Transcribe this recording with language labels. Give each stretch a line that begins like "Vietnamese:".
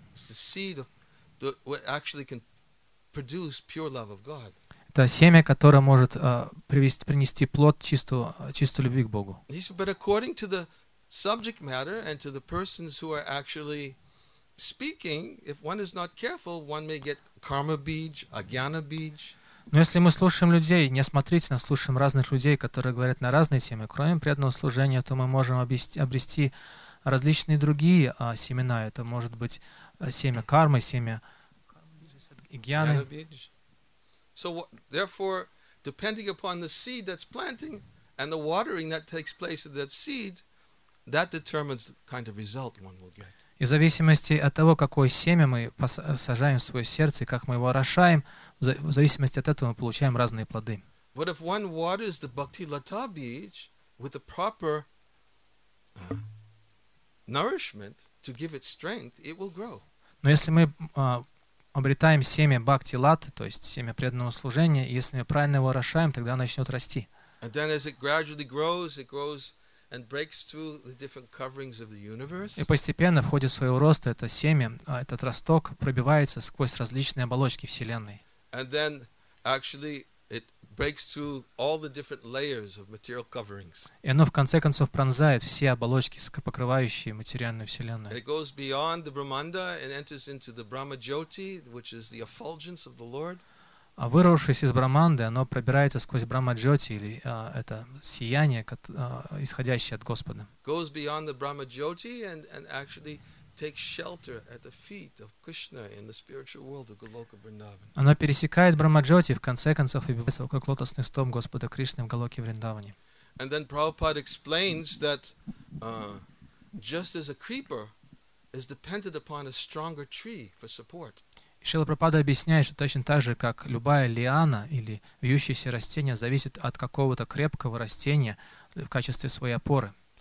English: It's the seed of what actually can produce pure love of God.
Russian: Это семя, которое может принести плод чистой любви к Богу.
English: But according to the subject matter and to the persons who are actually speaking, if one is not careful, one may get karma bij, agyana bij.
Russian: Но если мы слушаем людей, неосмотрительно слушаем разных людей, которые говорят на разные темы, кроме преданного служения, то мы можем обрести различные другие семена. Это может быть семя кармы, семя агьяны.
English: So therefore, depending upon the seed that's planting and the watering that takes place of that seed, that determines the kind of result one will get.
Russian: И в зависимости от того, какое семя мы сажаем в свое сердце, как мы его орошаем, в зависимости от этого мы получаем разные плоды.
English: But if one waters the bhakti lata bij with the proper nourishment to give it strength, it will grow.
Russian: Но если мы обретаем семя бхакти латы, то есть семя преданного служения, и если мы правильно его орошаем, тогда начнет расти.
English: And then as it gradually grows, it grows and breaks through the different coverings of the universe.
Russian: И постепенно в ходе своего роста это семя, этот росток пробивается сквозь различные оболочки вселенной.
English: And then actually it breaks through all the different layers of material coverings.
Russian: И оно в конце концов пронзает все оболочки, покрывающие материальную вселенную.
English: It goes beyond the Brahmanda and enters into the Brahmajyoti, which is the effulgence of the Lord.
Russian: А вырвавшись из Брахманды, оно пробирается сквозь Брахма-джоти, или это сияние, исходящее от Господа.
English: Goes beyond the Brahma-jyoti and actually takes shelter at the feet of Krishna in the spiritual world of Goloka Vrindavan.
Russian: Оно пересекает Брахма-джоти, в конце концов, и бивается как лотосный стоп Господа Кришны в Голоке Вриндаване.
English: And then Prabhupada explains that just as a creeper is dependent upon a stronger tree for support.
Russian: Шрила Прабхупада объясняет, что точно так же, как любая лиана или вьющееся растение зависит от какого-то крепкого растения в качестве своей опоры.